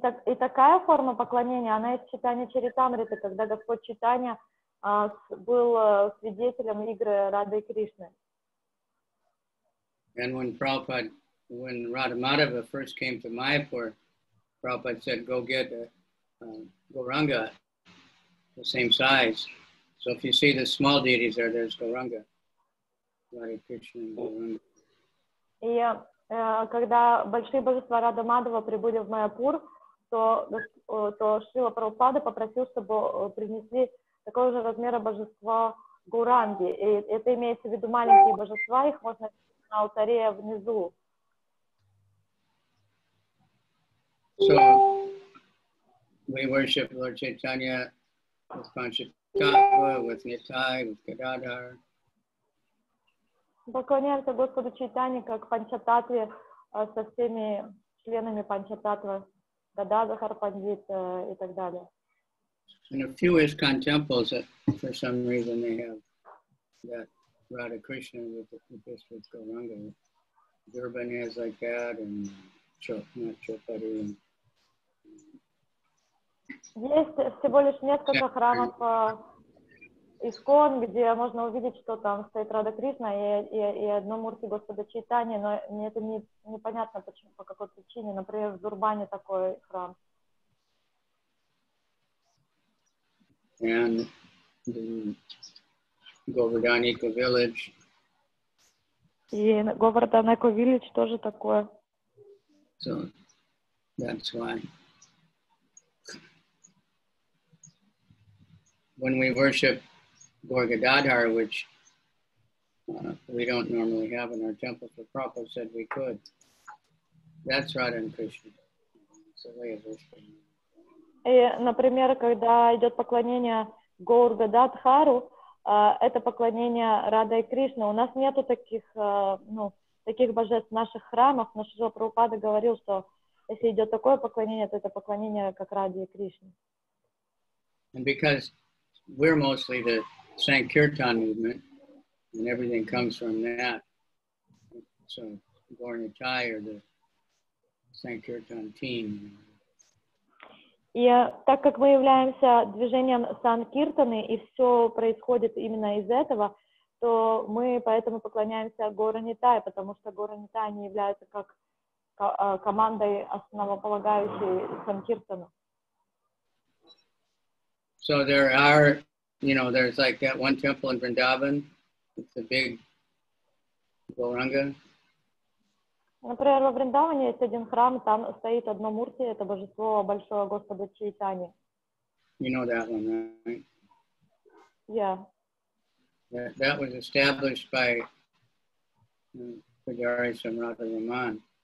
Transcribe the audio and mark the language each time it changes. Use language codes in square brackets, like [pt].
[ru] И такая форма поклонения, она из Чайтанья Чаритамриты, когда Господь Чайтанья был свидетелем игры Рады и Кришны. [en] And when Prabhupada, when Radha Madhava first came to Mayapur, Prabhupada said, go get a Gauranga, the same size. So if you see the small deities there, there's Gauranga, Radha Krishna and Gauranga. Yeah. [ru] Когда большие божества Радха Мадхава прибыли в Майяпур, то Шрила Прабхупада попросил, чтобы принесли такого же размера божества Гуранги. И это имеется в виду маленькие божества, их можно видеть на алтаре внизу. [en] So, we worship Lord Chaitanya with Panchakatva, with Nithai, with Gadadhar. [ru] Поклоняемся Господу Чайтанье как Панчататве со всеми членами Панчататвы, Гададхар Пандит и так далее. [en] In a few ISKCON temples, for some reason, they have that Radha Krishna with Gauranga. Durban has like that, and Chaupati. [ru] Есть всего лишь несколько храмов ИСКОН, где можно увидеть, что там стоит Радха Кришна и одно мурти Господа Чайтанья, но мне это непонятно, почему, по какой причине. Например, в Дурбане такой храм. [en] and the Govardhanika village. [ru] И Говарданико Виллидж тоже такое. [en] So, that's why. When we worship Gorga Dadhar, which we don't normally have in our temple, but Prabhupada said we could. That's Radha and Krishna. It's a way of worshiping. [ru] И, например, когда идет поклонение Гурга Дадхару, это поклонение Рада и Кришна. У нас нету таких, ну, таких божеств в наших храмах, но Шрила Прабхупада говорил, что если идет такое поклонение, то это поклонение как Раде и Кришне. [en] And because we're mostly the Sankirtan movement, and everything comes from that, so Gaur Nitai or the Sankirtan team. [ru] И так как мы являемся движением Санкиртаны, и все происходит именно из этого, то мы поэтому поклоняемся Гора Нитай, потому что Гора Нитай не является как командой, основополагающей Санкиртану. [en] So there are, you know, there's like that one temple in Vrindavan, it's a big Gauranga. [ru] Например, во Вриндаване есть один храм, там стоит одно мурти, это божество Большого Господа Чайтани. [en] You know that one, right? Yeah. That was established by Pujari Samrata Raman.